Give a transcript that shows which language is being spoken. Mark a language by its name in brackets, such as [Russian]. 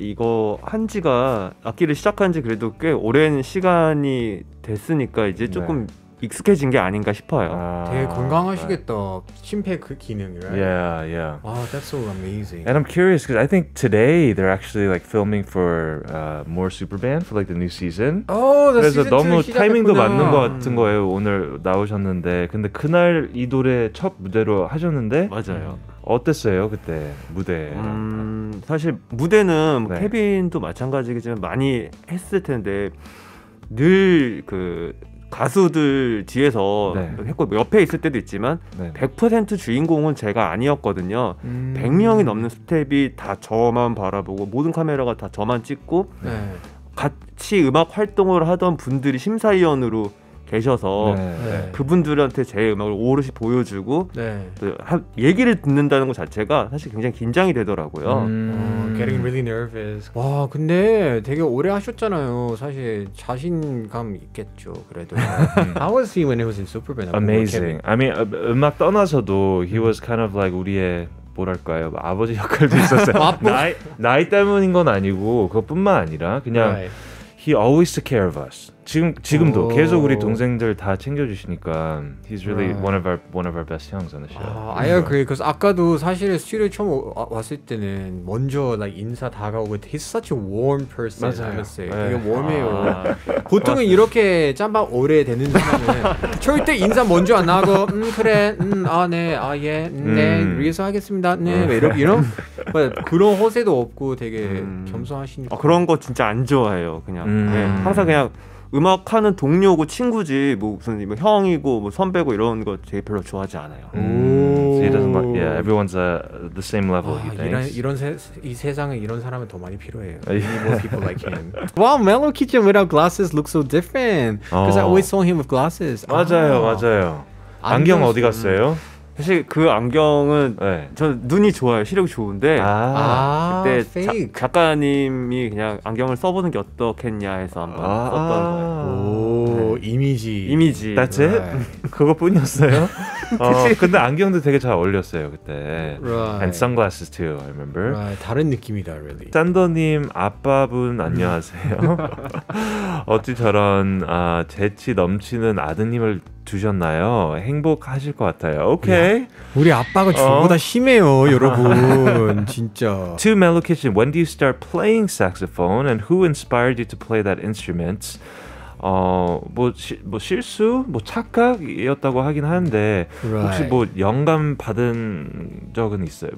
[Korean] 이거 한 지가 악기를 시작한 지 그래도 꽤 오랜 시간이 됐으니까 이제 조금. 네. 익숙해진 게 아닌가 싶어요. 되게 건강하시겠다. Right. 심폐 그 기능, right? [English] Yeah, yeah. Wow, that's so amazing. And I'm curious because I think today they're actually like filming for more Superband for like the new season. Oh, the season 2 [Korean] 그래서 너무 시작했구나. 타이밍도 맞는 것 같은 거예요. 오늘 나오셨는데, 근데 그날 이 노래 첫 무대로 하셨는데, 맞아요. 어땠어요 그때 무대? 사실 무대는 네. 케빈도 마찬가지겠지만 많이 했을 텐데 늘 그 가수들 뒤에서 네. 옆에 있을 때도 있지만 100% 주인공은 제가 아니었거든요. 100명이 넘는 스텝이 다 저만 바라보고 모든 카메라가 다 저만 찍고 네. 같이 음악 활동을 하던 분들이 심사위원으로 계셔서 네. 그분들한테 제 음악을 오롯이 보여주고 네. 또 얘기를 듣는다는 것 자체가 사실 굉장히 긴장이 되더라고요. [English] Getting really nervous. [Korean] 와 근데 되게 오래 하셨잖아요. 사실 자신감 있겠죠. 그래도 [English] How was he when he was in Superband? Amazing. I mean [Korean] 음악 떠나서도 [English] he was kind of like [Korean] 우리의 뭐랄까요 아버지 역할도 있었어요. 나이 때문인 건 아니고 그것뿐만 아니라 그냥 right. [English] he always took care of us. [Korean] 지금도 계속 우리 동생들 다 챙겨주시니까 [English] he's really right. one of our best youngs on the show. I agree. 'Cause [Korean] 아까도 사실 스튜디오 처음 왔을 때는 먼저 like 인사 다가오고 [English] he's such a warm person. [Korean] 맞아요. 되게 warm해요. 아. 보통은 이렇게 짬밥 오래 되는 사람은 절대 인사 먼저 안 하고 그래 아 네 아 예 네 위해서 하겠습니다. 네 이런 그런 허세도 없고 되게 겸손하시니까 아, 그런 거 진짜 안 좋아해요. 그냥 네, 항상 그냥 음악 하는 동료고 친구지 뭐 무슨 뭐 형이고 뭐 선배고 이런 거 되게 별로 좋아하지 않아요. [English] So he doesn't like, yeah, everyone's at the same level. He thinks. [Korean] 이 세상에 이런 사람은 더 많이 필요해요. [English] More people like him. Wow, Mellow Kitchen without glasses looks so different. Because I always saw him with glasses. [Korean] 맞아요, 아. 맞아요. 안경 어디 갔어요? 사실 그 안경은 네. 전 눈이 좋아요. 시력이 좋은데 아, 그때 작가님이 그냥 안경을 써보는 게 어떻겠냐 해서 한번 썼던 거예요. 오 네. 이미지 [English] That's it? Right. [Korean] 그것뿐이었어요? 근데 안경도 되게 잘 어울렸어요 그때 [English] right. And sunglasses too, I remember [Korean] right. 다른 느낌이다, really 딴더님 아빠분 안녕하세요 어찌 저런 재치 넘치는 아드님을 주셨나요? 행복하실 것 같아요. 오케이. Okay. 우리 아빠가 저보다 심해요, 여러분. 진짜. [English] To Mellow Kitchen, when do you start playing saxophone and who inspired you to play that instrument? [Korean] 뭐 실수? 뭐 착각이었다고 하긴 하는데 [English] right. [Korean] 혹시 뭐 영감 받은 적은 있어요?